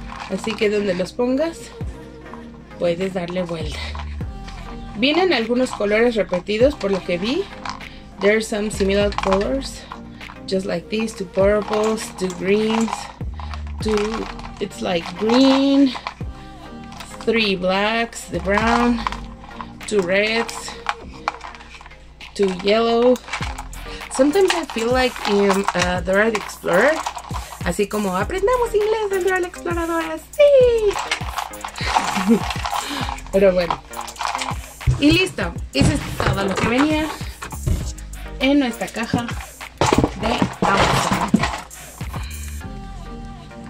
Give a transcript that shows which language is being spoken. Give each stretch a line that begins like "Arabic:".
Spanish: Así que donde los pongas, puedes darle vuelta. Vienen algunos colores repetidos, por lo que vi.
English: There are some similar colors. Just like this, two purples, two greens, two, it's like green, three blacks, the brown, two reds, two yellow. Sometimes I feel like in Dora the Explorer.
Spanish: Así como aprendamos inglés en Dora la Exploradora. ¡Sí! Pero bueno. Y listo. Eso es todo lo que venía en nuestra caja de Amazon.